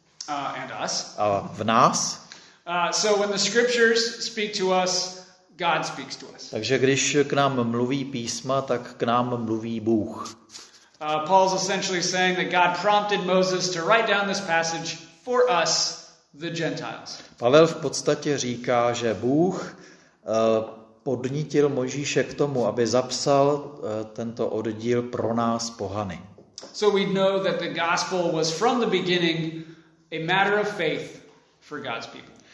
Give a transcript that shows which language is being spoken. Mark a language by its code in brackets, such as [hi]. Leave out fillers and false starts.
[en] And us. [cs] A v nás. [en] So when the scriptures speak to us, God speaks to us. [cs] Takže když k nám mluví písma, tak k nám mluví Bůh. [en] Paul's essentially saying that God prompted Moses to write down this passage for us, the Gentiles. [cs] Pavel v podstatě říká, že Bůh podnítil Mojžíše k tomu, aby zapsal tento oddíl pro nás pohany. [en] So we know that the gospel was from the beginning a matter of faith for God's people.